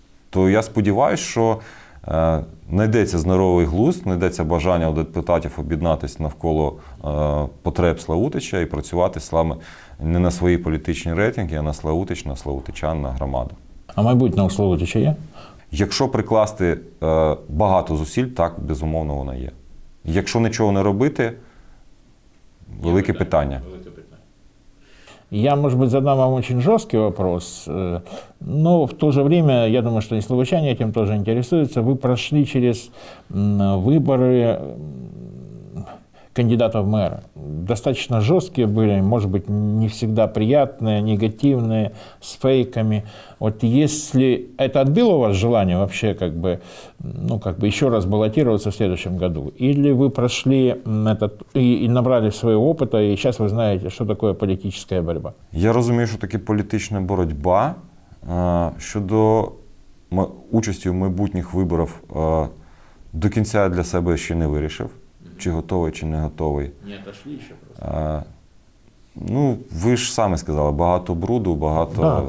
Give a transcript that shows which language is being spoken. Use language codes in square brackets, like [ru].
[uk] То я сподіваюся, що знайдеться здоровий глузд, знайдеться бажання у депутатів об'єднатися навколо потреб Славутича і працювати саме не на свої політичні рейтинги, а на Славутич, на славутичан, на громаду. А майбутнє у Славутича є? Якщо прикласти багато зусиль, так, безумовно, вона є. Якщо нічого не робити, велике питання. [ru] Я, может быть, задам вам очень жесткий вопрос, но в то же время, я думаю, что и словачане этим тоже интересуются. Вы прошли через выборы кандидата в мэра. Достаточно жесткие были, может быть, не всегда приятные, негативные, с фейками. Вот если это отбило у вас желание вообще как бы, ну, как бы еще раз баллотироваться в следующем году? Или вы прошли этот и набрали своего опыта, и сейчас вы знаете, что такое политическая борьба? [uk] Я розумію, що таке політична боротьба. Щодо участі в майбутніх виборів, до кінця для себе ще не вирішив. Чи готовий, чи не готовий. Ні, отошли ще просто. Ну, ви ж самі сказали, багато бруду, багато...